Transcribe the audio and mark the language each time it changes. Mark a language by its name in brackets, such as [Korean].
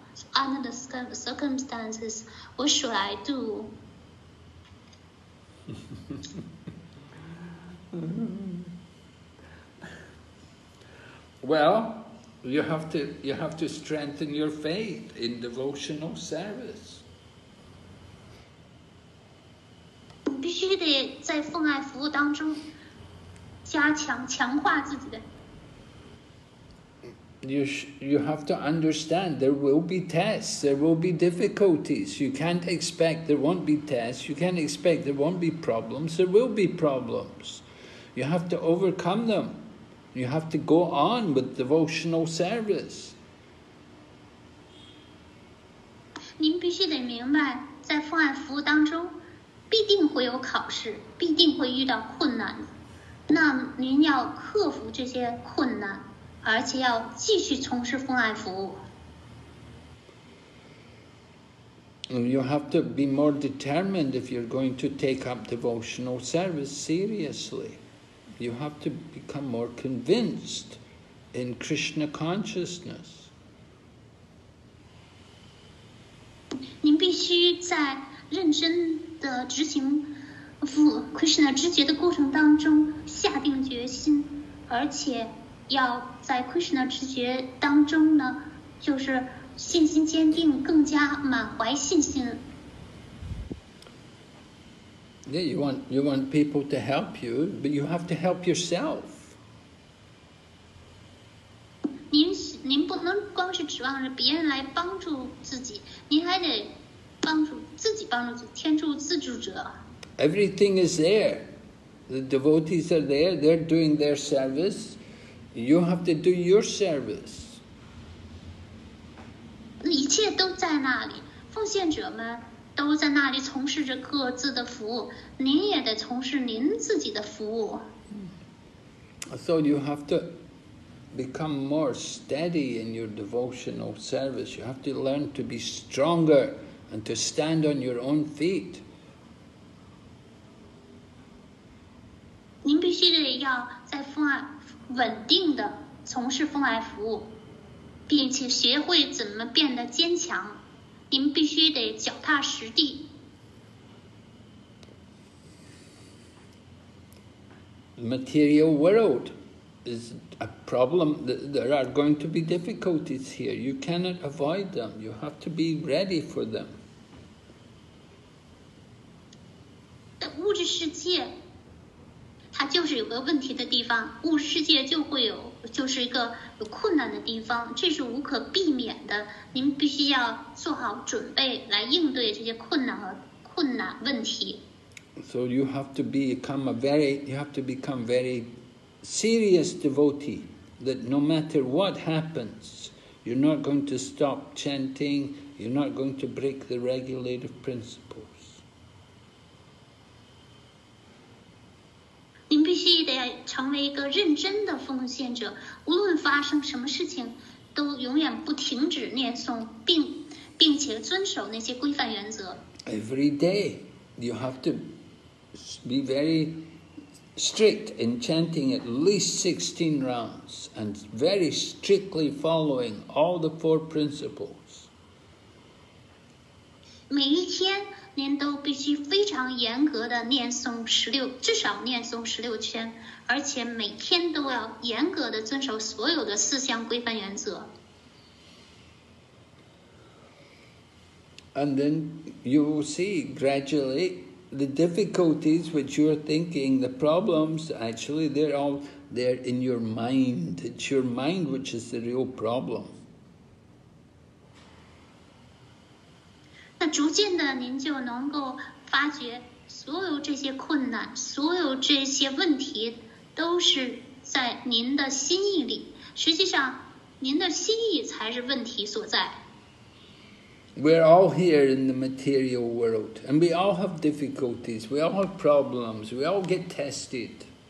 [English] So under the circumstances, what should I do? Well, you have to strengthen your faith in devotional service. [Chinese] 必须得在奉爱服务当中加强强化自己的。 [English] You have to understand there will be tests, there will be difficulties. You can't expect there won't be tests, you can't expect there won't be problems. There will be problems. You have to overcome them. You have to go on with devotional service. [Chinese] 您必须得明白，在奉爱服务当中，必定会有考试，必定会遇到困难。那您要克服这些困难。而且要继续从事奉爱服务。 [English] You have to be more determined if you're going to take up devotional service seriously. You have to become more convinced in Krishna consciousness. [Chinese] 您必须在认真的执行服务 Krishna 职节的过程当中下定决心，而且要在 Krishna 直觉当中呢，就是信心坚定，更加满怀信心。 [English] Yeah, you want people to help you, but you have to help yourself. [Chinese] 您不能光是指望着别人来帮助自己，您还得帮助自己，天助自助者。 [English] Everything is there. The devotees are there. They're doing their service. You have to do your service. [Chinese] 一切都在那里，奉献者们都在那里从事着各自的服务，您也得从事您自己的服务。 [English] So you have to become more steady in your devotional service. You have to learn to be stronger and to stand on your own feet. [Chinese] 您必须得要在稳定的从事奉爱服务，并且学会怎么变得坚强。您必须得脚踏实地。 [English] Material world is a problem. There are going to be difficulties here. You cannot avoid them. You have to be ready for them. [Chinese] 物质世界。它就是有个问题的地方，物质世界就会有，就是一个有困难的地方，这是无可避免的。您必须要做好准备来应对这些困难问题。 [English] So you have to become a very serious devotee. That no matter what happens, you're not going to stop chanting. You're not going to break the regulative principle. [Chinese] 您必须得成为一个认真的奉献者，无论发生什么事情，都永远不停止念诵，并且遵守那些规范原则。 [English] Every day, you have to be very strict in chanting at least 16 rounds and very strictly following all the four principles. [Chinese] 每一天您都必须非常严格的念诵至少念诵十六圈，而且每天都要严格的遵守所有的四项规范原则。 [English] And then you will see gradually the difficulties which you are thinking, the problems, actually they're in your mind. It's your mind which is the real problem. [Chinese] 那逐渐的您就能够发觉所有这些困难，所有这些问题都是在您的心意里，实际上您的心意才是问题所在。 [English] We're all here in the material world, and we all have difficulties, we all have problems, we all get tested.